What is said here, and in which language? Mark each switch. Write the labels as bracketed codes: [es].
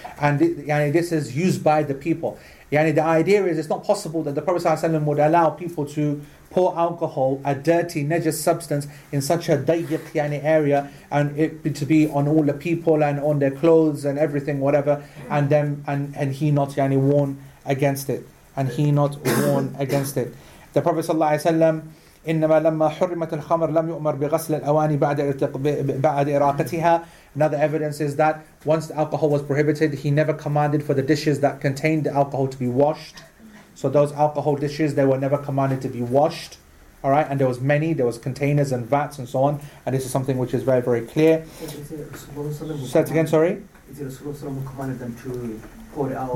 [en] And yani, this is used by the people. Yani, the idea is it's not possible that the Prophet ﷺ would allow people to pour alcohol, a dirty, najis substance, in such a dayiq yani area, and it to be on all the people and on their clothes and everything, whatever, and them and he not yani warn against it, and he not warn against it. The Prophet [ar] صلى الله عليه وسلم إنما لما حرمت الخمر لم يؤمر بغسل الأواني بعد إراقتها. [en] Another evidence is that once the alcohol was prohibited, he never commanded for the dishes that contained the alcohol to be washed. So those alcohol dishes, they were never commanded to be washed. All right, and there was many, there was containers and vats and so on. And this is something which is very, very clear. Is it Rasulullah who commanded them to pour it out?